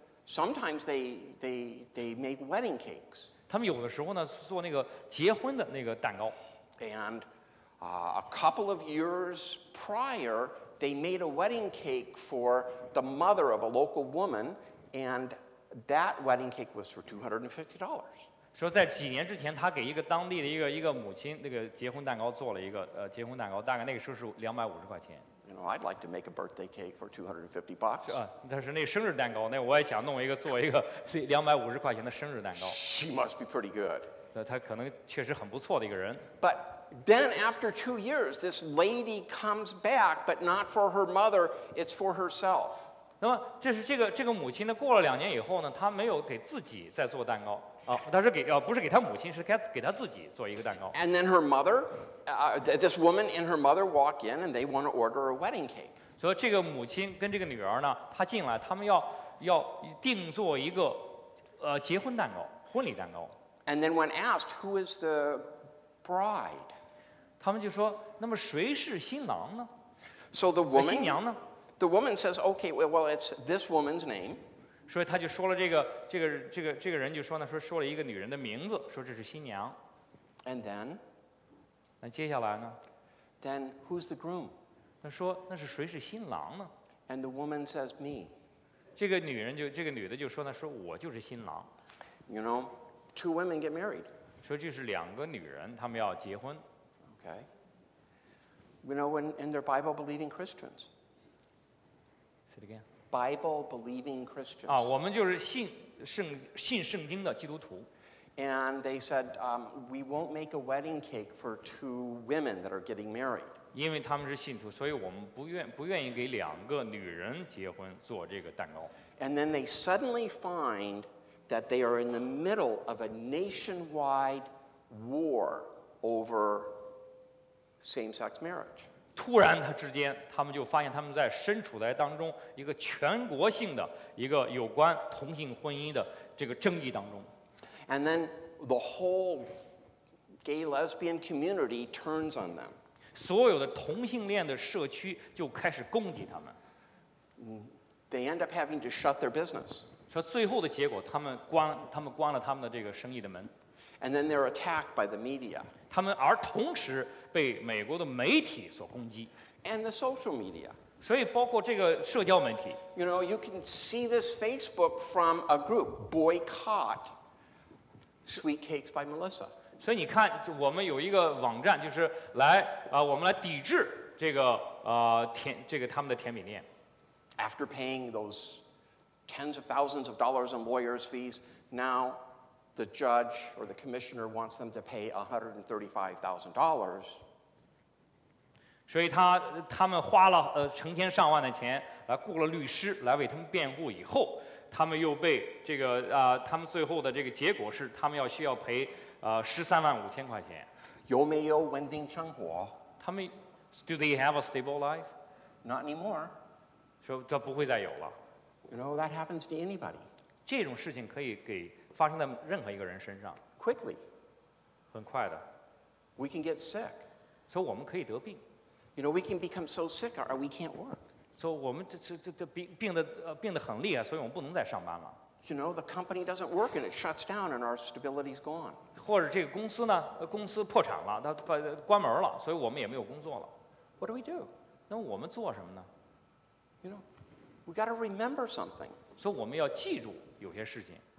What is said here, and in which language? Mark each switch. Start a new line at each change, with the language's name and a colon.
English: sometimes they make wedding cakes. They sometimes make wedding cakes. And a couple of years prior,They made a wedding cake for the mother of a local woman, and that wedding cake was for $250.
Chinese: 说在几年之前，他给一个当地的一个母亲那个结婚蛋糕做了一个结婚蛋糕，大概那个时候是$250。
English: You know, I'd like to make a birthday cake for $250.
Chinese: 但是那生日蛋糕，那我也想弄一个做一个$250的生日蛋糕。
English: She must be pretty good.
Chinese: 他可能确实很不错的一个人。
English: ButThen after 2 years, this lady comes back, but not for her mother, it's for herself.
Chinese: 那么这是这个母亲呢，过了两年以后呢，她没有给自己再做蛋糕，她是不是给她母亲，是给她自己做一个蛋糕。
English: And then her mother, this woman and her mother walk in and they want to order a wedding cake.
Chinese: 所以这个母亲跟这个女儿呢，她进来，她们要定做一个结婚蛋糕，婚礼蛋糕。
English: And then when asked, who is the bride?
Chinese: 他们就说，那么谁是新郎呢？
English: So the woman,
Chinese: 新娘呢？
English: The woman says, okay, well, it's this woman's name.
Chinese: 所以他就说了这个人就说呢，说了一个女人的名字，说这是新娘。
English: And then,
Chinese: 那接下来呢？
English: Then who's the groom?
Chinese: 他说那是谁是新郎呢？
English: And the woman says, me.
Chinese: 这个女的就说呢，说我就是新郎。
English: You know, two women get married.
Chinese: 说这是两个女人，她们要结婚。
English: Okay. You know, and they're Bible-believing Christians. Say it again. Bible-believing Christians.
Chinese: 我们就是信圣经的基督徒。
English: And they said, we won't make a wedding cake for two women that are getting married.
Chinese: 因为他们是信徒，所以我们不愿意给两个女人结婚做这个蛋糕。
English: And then they suddenly find that they are in the middle of a nationwide war over. Same-sex marriage.
Chinese: 突然他之间，他们就发现他们在身处在当中一个全国性的一个有关同性婚姻的这个争议当中。
English: And then the whole gay lesbian community turns on them.
Chinese: 所有的同性恋的社区就开始攻击他们。
English: They end up having to shut their business.
Chinese: 说最后的结果，他们关了他们的这个生意的门。
English: And then they're attacked by the media.
Chinese: 他们而同时被美国的媒体所攻击。
English: And the social media.
Chinese: 所以包括这个社交媒体。
English: You know, you can see this Facebook from a group, boycott Sweet Cakes by Melissa.
Chinese: 所以你看，我们有一个网站，就是来我们来抵制这个他们的甜品店。
English: After paying those tens of thousands of dollars in lawyers' fees, now the judge or the commissioner wants them to pay $135,000.
Chinese: 所以他们花了成千上万的钱来雇了律师来为他们辩护，以后他们又被这个他们最后的这个结果是他们要需要赔135,000块钱。有没有稳定生活？他们
English: do they have a stable life? Not anymore.
Chinese: 说这不会再有了。
English: You know that happens to anybody.
Chinese: 这种事情可以给发生在任何一个人身上。
English: Quickly.
Chinese: 很快的。
English: We can get sick.
Chinese: 所以我们可以得病。
English: You know, we can become so sick or we can't work. So, we become so sick that we can't work. You know, the company doesn't work and it shuts down and our stability is gone.
Chinese: 或者这个公司呢，公司破产了，它关门了，所以我们也没有工作了。
English: What do we do?
Chinese: 那我们做什么呢？
English: You know, we got to remember something.
Chinese: So, 我们要记住有些事情。